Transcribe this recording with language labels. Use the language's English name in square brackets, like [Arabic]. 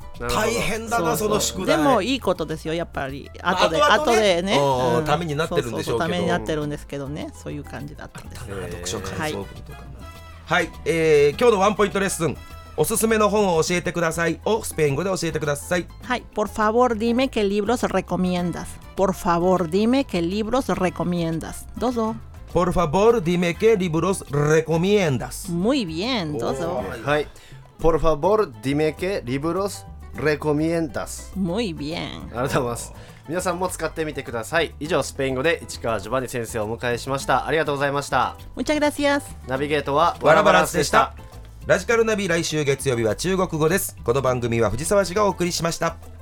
[Japanese] 大変だな。そうそう、その宿題でもいいことですよやっぱり、後で、まあ、後でね、うん、ためになってるんでしょうけど、ためになってるんですけどね、そういう感じだったんです。読書感想文とか、はいはい、今日のワンポイントレッスン、おすすめの本を教えてくださいをスペイン語で教えてください。 [Spanish] はい、 por favor dime qué libros recomiendas, por favor dime qué libros recomiendas, [Japanese] どうぞ。 [Spanish] por favor dime qué libros recomiendas, muy bien, [Japanese] どうぞ。 [Spanish] はい、 por favor dime qué libros recomiendas, muy bien, [Japanese] ありがとうございます。皆さんも使ってみてください。以上、スペイン語で市川ジョバニ先生をお迎えしました。ありがとうございました。 [Spanish] Muchas gracias。 [Japanese] ナビゲートはワラバランスでした。ラジカルナビ、来週月曜日は中国語です。この番組は藤沢氏がお送りしました。